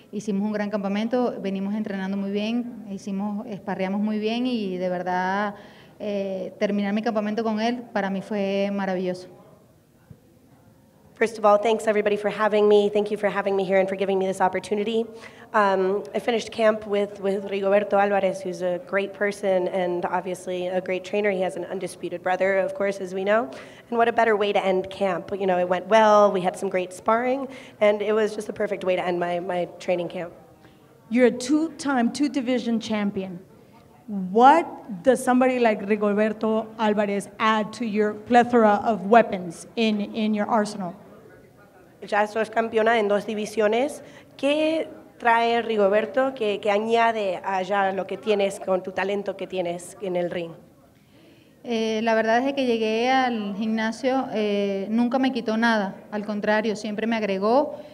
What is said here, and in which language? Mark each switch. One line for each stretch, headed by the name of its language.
Spanish: Hicimos un gran campamento, venimos entrenando muy bien, esparreamos muy bien y de verdad terminar mi campamento con él para mí fue maravilloso.
English: First of all, thanks everybody for having me. Thank you for having me here and for giving me this opportunity. I finished camp with Rigoberto Álvarez, who's a great person and obviously a great trainer. He has an undisputed brother, of course, as we know. And what a better way to end camp. You know, it went well, we had some great sparring, and it was just the perfect way to end my training camp. You're a two-time, two-division champion. What does somebody like Rigoberto Álvarez add to your plethora of weapons in your arsenal?
Spanish: Ya sos campeona en dos divisiones. ¿Qué trae Rigoberto que añade allá lo que tienes con tu talento que tienes en el ring? La verdad es que llegué al gimnasio, nunca me quitó nada, al contrario, siempre me agregó.